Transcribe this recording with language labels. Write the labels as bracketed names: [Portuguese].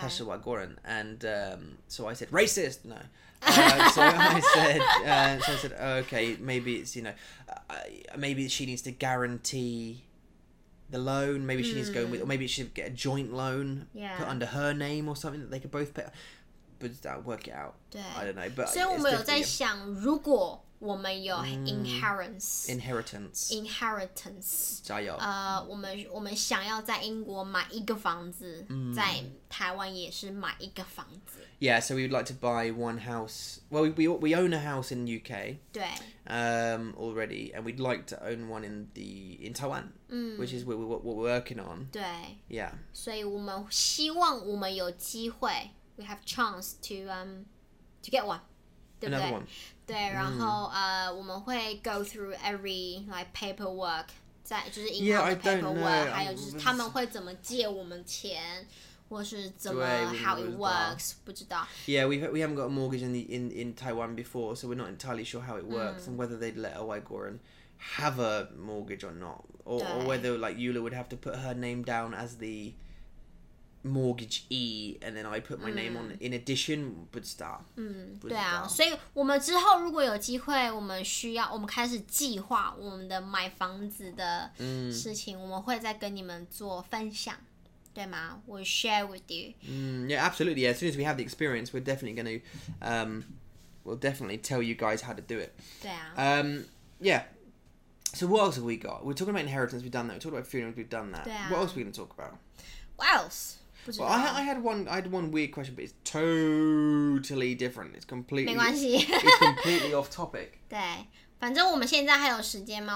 [Chinese] 他是外国人, [English] and so I said, racist! No. So I said, okay, maybe it's, you know, maybe she needs to guarantee the loan, maybe she needs to go with, or maybe she should get a joint loan put under her name or something that they could both pay. But that work it out. I don't know. But [Chinese] 所以我们有在想, 如果我们有 inheritance, 加油. 我们想要在英国买一个房子, 在台湾也是买一个房子. [English] Yeah, so we would like to buy one house. Well, we own a house in UK. [Chinese] 对. [English] Already, and we'd like to own one in Taiwan, which is what we're working on. [Chinese] 对. [English] Yeah. [Chinese] 所以我们希望我们有机会. [English] We have chance to get one, [Chinese] 对不对? [English] Another one. [Chinese] 对，然后我们会 [English] go through every like paperwork [Chinese] 在就是银行的 paperwork， 还有就是他们会怎么借我们钱。或是怎么 [English] how it works， [Chinese] 不知道。 [English] Yeah, we haven't got a mortgage in Taiwan before, so we're not entirely sure how it works、and whether they'd let a Uyghur have a mortgage or not, or whether like Yula would have to put her name down as the mortgagee, and then I put my name on in addition. [Chinese] 不知道。嗯，对啊，所以我们之后如果有机会，我们需要我们开始计划我们的买房子的事情，我们会再跟你们做分享。对吗？ [English] We'll share with you. Yeah, absolutely. Yeah, as soon as we have the experience, we're definitely going to, we'll definitely tell you guys how to do it. [Chinese] 对啊。 [English] Yeah. So what else have we got? We're talking about inheritance. We've done that. We talked about funerals. We've done that. [Chinese] 对啊。 [English] What else are we going to talk about? What else? [Chinese] 不知道。 [English] Well, I had one weird question, but it's totally different. It's completely [Chinese] 没关系。 [English] It's completely off topic. [Chinese] 对，反正我们现在还有时间吗？